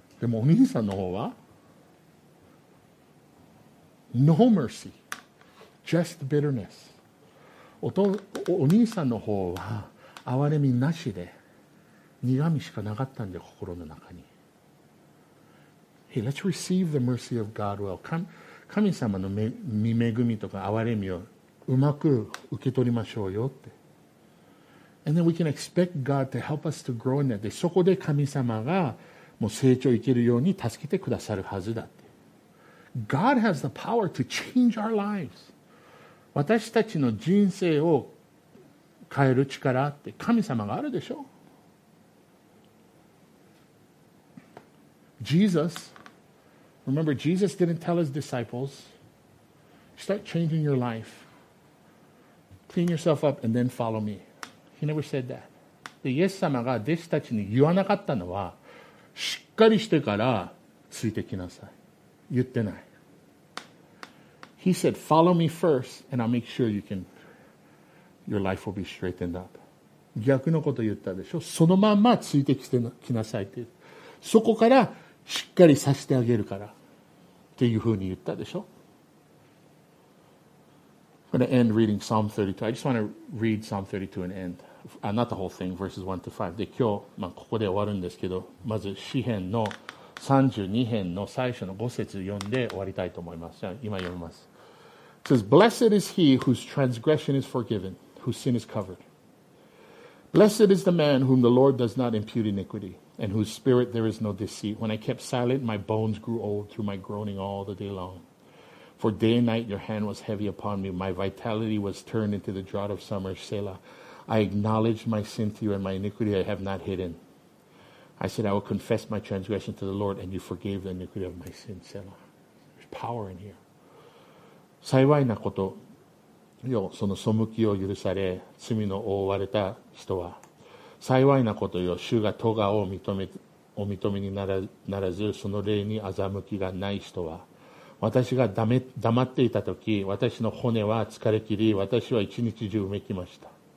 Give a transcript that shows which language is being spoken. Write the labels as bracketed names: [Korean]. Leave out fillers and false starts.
[Japanese] でもお兄さんの方は [English] No mercy, just bitterness. [Japanese] お兄さんの方は憐れみなしで苦みしかなかったんで心の中に。 [English] Hey, let's receive the mercy of God well. [Japanese] 神様の恵みとか憐れみをうまく受け取りましょうよって。 [English] And then we can expect God to help us to grow in that. [Japanese] で、そこで神様がもう成長いけるように助けてくださるはずだって。 [English] God has the power to change our lives. [Japanese] 私たちの人生を変える力って神様があるでしょ。 [English] Jesus, remember, Jesus didn't tell his disciples, start changing your life, clean yourself up, and then follow me. He never said that. [Japanese] で、イエス様が弟子たちに言わなかったのは、しっかりしてからついてきなさい。言ってない。 [English] He said, follow me first, and I'll make sure you can, your life will be straightened up. [Japanese] 逆のこと言ったでしょ。そのまんまついてきなさいって。そこから、しっかりさせてあげるからっていうふうに言ったでしょ。 [English] I'm going to end reading Psalm 32. I just want to read Psalm 32 and end. Not the whole thing, verses 1 to 5. [Japanese] で、今日、まあ、ここで終わるんですけど、まず詩編の32編の最初の5節読んで終わりたいと思います。じゃあ今読みます。 [English] It says, Blessed is he whose transgression is forgiven, whose sin is covered. Blessed is the man whom the Lord does not impute iniquity. And whose spirit there is no deceit. When I kept silent, my bones grew old through my groaning all the day long. For day and night your hand was heavy upon me. My vitality was turned into the drought of summer. Selah. I acknowledged my sin to you and my iniquity I have not hidden. I said, I will confess my transgression to the Lord and you forgave the iniquity of my sin. Selah. There's power in here. [Japanese] 幸いなこと。よ、その背きを許され、罪の覆われた人は、幸いなことよ、主が咎を認め、お認めにならず、その霊に欺きがない人は、私が黙っていたとき、私の骨は疲れ切り、私は一日中うめきました。